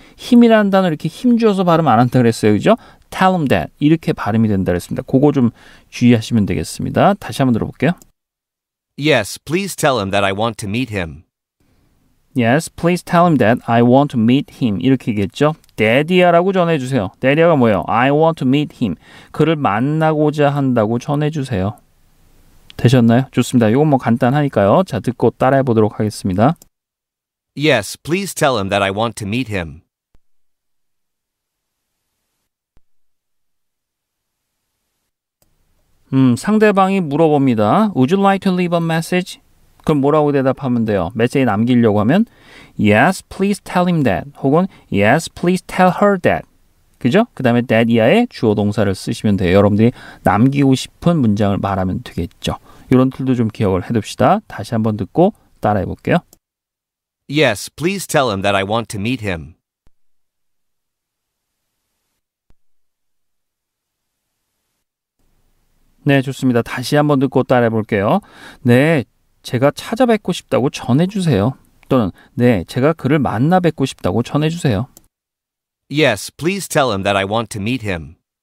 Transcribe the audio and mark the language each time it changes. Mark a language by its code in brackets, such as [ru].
[ko] 힘이라는 단어 이렇게 힘줘서 발음 안 한다고 그랬어요. 그죠? [en] Tell him that. [ko] 이렇게 발음이 된다고 했습니다. 그거 좀 주의하시면 되겠습니다. 다시 한번 들어볼게요. [en] Yes, please tell him that I want to meet him. Yes, please tell him that I want to meet him. [ko] 이렇게 얘기했죠? Daddy야라고 전해주세요. Daddy야가 뭐예요? [en] I want to meet him. [ko] 그를 만나고자 한다고 전해주세요. 되셨나요? 좋습니다. 이건 뭐 간단하니까요. 자, 듣고 따라해 보도록 하겠습니다. [en] Yes, please tell him that I want to meet him. [ko] 상대방이 물어봅니다. [en] Would you like to leave a message? [ko] 그럼 뭐라고 대답하면 돼요? 메시지 남기려고 하면 [en] Yes, please tell him that. [ko] 혹은 [en] Yes, please tell her that. [ko] 그죠? 그 다음에 that 이하의 주어 동사를 쓰시면 돼요. 여러분들이 남기고 싶은 문장을 말하면 되겠죠. 이런 툴도 좀 기억을 해둡시다. 다시 한번 듣고 따라해 볼게요. [en] Yes, please tell him that I want to meet him. [ko] 네, 좋습니다. 다시 한번 듣고 따라해 볼게요. 네, 제가 찾아뵙고 싶다고 전해주세요. 또는 네, 제가 그를 만나 뵙고 싶다고 전해주세요. [en] Yes, please tell him that I want to meet him.